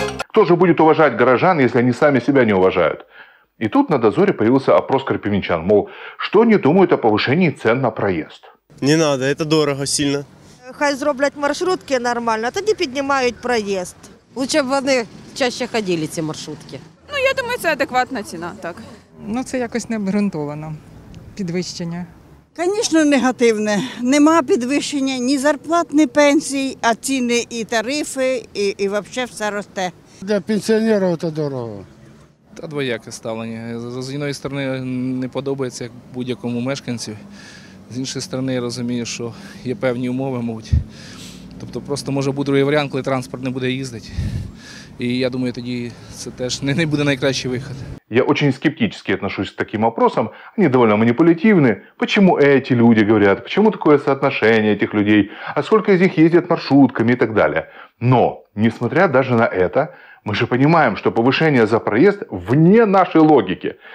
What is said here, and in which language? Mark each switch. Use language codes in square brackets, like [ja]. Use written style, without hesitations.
[ru] Кто же будет уважать горожан, если они сами себя не уважают? И тут на дозоре появился опрос крапивничан, мол, что они думают о повышении цен на проезд? Не надо, это дорого сильно. Хай сделают маршрутки нормально, а тогда поднимают проезд. Лучше бы они чаще ходили, эти маршрутки. Ну, я думаю, это адекватная цена, так. Ну, это как-то не [uk] обґрунтовано, підвищення. [ru] Конечно, негативне. [uk] Нема підвищення ні зарплат, ні пенсій, а ціни і тарифи, і вообще все росте. Для пенсіонерів то дорого. Та двояке ставлення. З однієї сторони не подобається як будь-якому мешканцю, з іншої сторони я розумію, що є певні умови, мабуть. Тобто просто може бути другий варіант, коли транспорт не буде їздити. И я думаю, тоді це теж не буде найкращий вихід. [ru] Я очень скептически отношусь к таким опросам. Они довольно манипулятивны. Почему эти люди говорят? Почему такое соотношение этих людей? А сколько из них ездят маршрутками и так далее? Но, несмотря даже на это, мы же понимаем, что повышение за проезд вне нашей логики.